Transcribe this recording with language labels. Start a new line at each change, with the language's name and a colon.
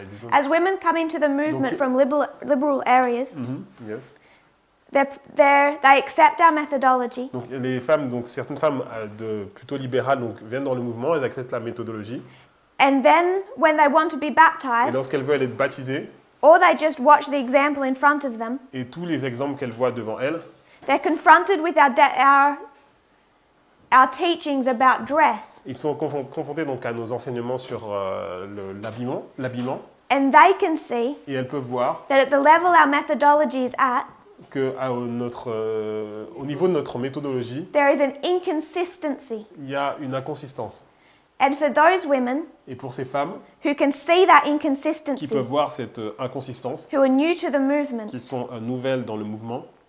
English: As women come into the movement from liberal areas, mm-hmm. Yes. They accept our methodology.
French: Donc les femmes, donc certaines femmes de plutôt libérales, donc viennent dans le mouvement, elles acceptent la méthodologie.
English: And then when they want to be baptized,
French: et lorsqu'elles veulent être baptisées,
English: or they just watch the example in front of them,
French: et tous les exemples qu'elles voient devant elles,
English: they're confronted with our teachings about dress.
French: Ils sont confrontés donc à nos enseignements sur l'habillement.
English: And they can see.
French: Et elles peuvent voir.
English: That at the level our methodology is at.
French: Que à notre au niveau de notre méthodologie.
English: There is an inconsistency.
French: Il y a une inconsistance.
English: And for those women.
French: Et pour ces femmes.
English: Who can see that inconsistency.
French: Qui peuvent voir cette inconsistance.
English: Who are new to the movement.
French: Qui sont nouvelles dans le mouvement.